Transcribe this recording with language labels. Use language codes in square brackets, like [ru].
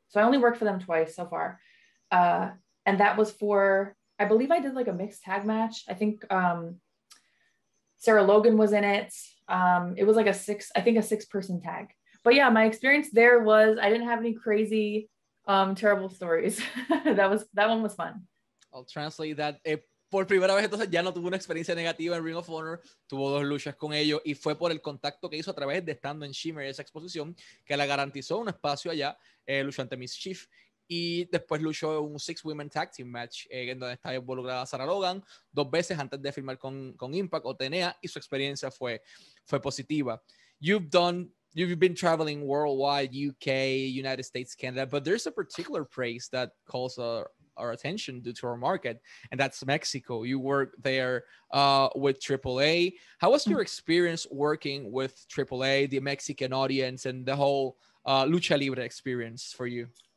[en] So I only worked for them twice so far. And that was for, I believe I did like a mixed tag match. I think, Sarah Logan was in it. It was like a six person tag, but yeah, my experience there was, I didn't have any crazy, terrible stories. that one was fun. I'll translate that. [es] Por primera vez, entonces, ya no tuvo una experiencia negativa en Ring of Honor. Tuvo dos luchas con ellos y fue por el contacto que hizo a través de estando en Shimmer, esa exposición, que la garantizó un espacio allá, luchó ante Mischief. Y después luchó un Six Women Tag Team Match, en donde estaba involucrada Sarah Logan, dos veces antes de firmar con Impact o TNA, y su experiencia fue positiva. [en] You've been traveling worldwide, UK, United States, Canada, but there's a particular place that calls our attention due to our market, and that's Mexico. You work there with AAA. How was your experience working with AAA, the Mexican audience, and the whole Lucha Libre experience for you?